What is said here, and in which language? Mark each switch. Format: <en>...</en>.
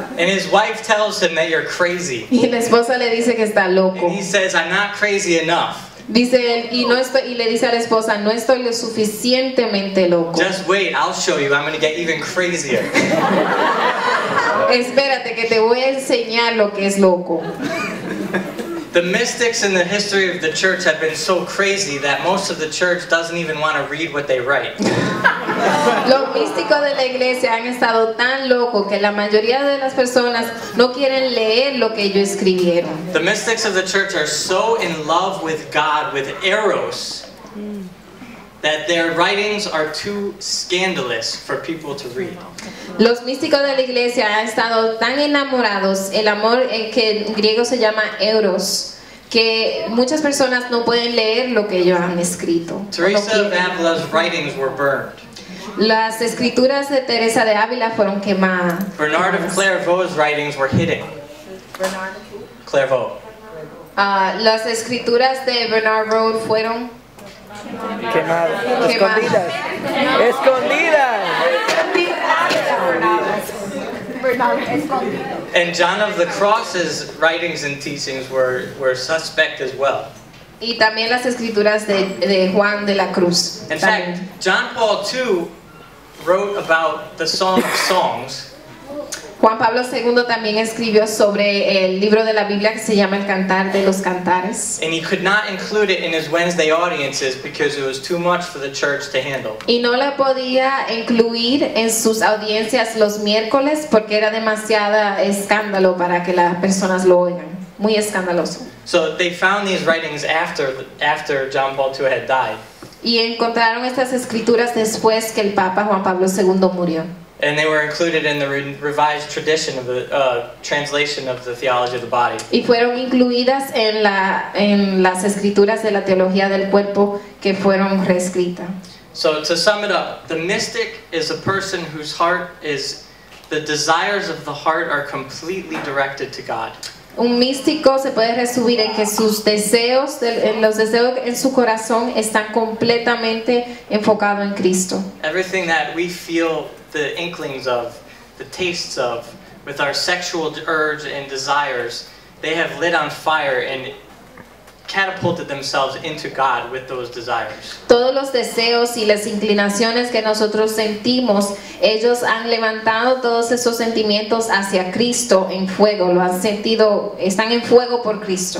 <en>And his wife tells him that you're crazy.</en> <es>Y la esposa le dice que está loco.</es> <en>And he says, I'm not crazy enough.</en> <es>Dice él, y le dice a la esposa, no estoy lo suficientemente loco.</es> <en>Just wait, I'll show you, I'm going to get even crazier.</en> <es>Espérate, que te voy a enseñar lo que es loco.</es> <en>The mystics in the history of the church have been so crazy that most of the church doesn't even want to read what they write.</en> <es>Los místicos de la iglesia han estado tan locos que la mayoría de las personas no quieren leer lo que ellos escribieron.</es> <en>The mystics of the church are so in love with God, with Eros, that their writings are too scandalous for people to read.</en> <es>Los místicos de la iglesia han estado tan enamorados, el amor que en griego se llama Eros, que muchas personas no pueden leer lo que ellos han escrito.</es> <en>Teresa of Avila's writings were burned.</en> <es>Las escrituras de Teresa de Ávila fueron quemadas.</es> <en>Bernard of Clairvaux's writings were hidden. Clairvaux.</en> <es>Las escrituras de Bernard Rode fueron quemadas. Escondidas. Escondidas.</es> <en>And John of the Cross's writings and teachings were suspect as well.</en> <es>Y también las escrituras de Juan de la Cruz.</es> <en>In fact, John Paul II wrote about the Song of Songs.</en> <es>Juan Pablo II también escribió sobre el libro de la Biblia que se llama El Cantar de los Cantares.</es> <en>And he could not include it in his Wednesday audiences because it was too much for the church to handle.</en> <es>Y no la podía incluir en sus audiencias los miércoles porque era demasiado escándalo para que las personas lo oigan. Muy escandaloso.</es> <en>So they found these writings after John Paul II had died.</en> <es>Y encontraron estas escrituras después que el Papa Juan Pablo II murió.</es> <en>And they were included in the revised tradition of the translation of the theology of the body.</en> <es>Y fueron incluidas en las escrituras de la teología del cuerpo que fueron reescrita.</es> <en>So to sum it up, the mystic is a person whose heart is, the desires of the heart are completely directed to God.</en> <es>Un místico se puede resumir en que sus deseos, los deseos en su corazón están completamente enfocados en Cristo.</es> <en>Everything that we feel the inklings of, the tastes of, with our sexual urge and desires, they have lit on fire and catapulted themselves into God with those desires.</en> <es>Todos los deseos y las inclinaciones que nosotros sentimos, ellos han levantado todos esos sentimientos hacia Cristo en fuego. Lo han sentido, están en fuego por Cristo.</es>